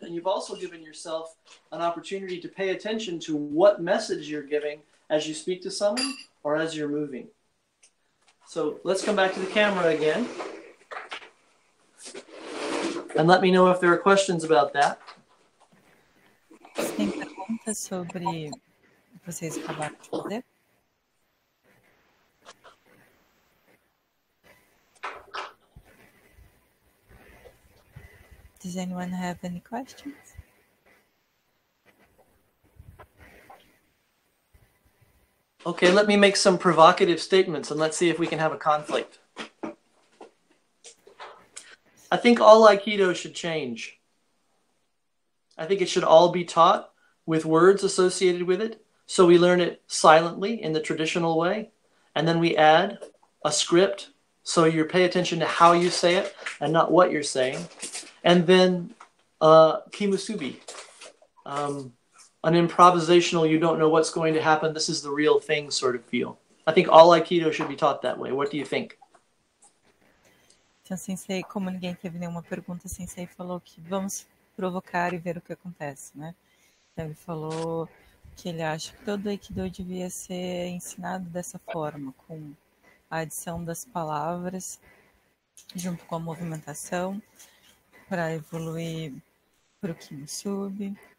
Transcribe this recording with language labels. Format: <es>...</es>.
<en>And you've also given yourself an opportunity to pay attention to what message you're giving as you speak to someone or as you're moving. So let's come back to the camera again. And let me know if there are questions about that.</en> <pt>Tem perguntas sobre o que vocês acabaram de fazer?</pt> <en>Does anyone have any questions? Okay, let me make some provocative statements and let's see if we can have a conflict. I think all Aikido should change. I think it should all be taught with words associated with it. So we learn it silently in the traditional way. And then we add a script. So you pay attention to how you say it and not what you're saying. And then kimusubi, an improvisational, you don't know what's going to happen. This is the real thing sort of feel. I think all Aikido should be taught that way. What do you think?</en> <pt>Então, sensei, como ninguém teve nenhuma pergunta, sensei falou que vamos provocar e ver o que acontece, né? Então, ele falou que ele acha que todo Aikido devia ser ensinado dessa forma, com a adição das palavras junto com a movimentação para evoluir para o Kimusubi.</pt>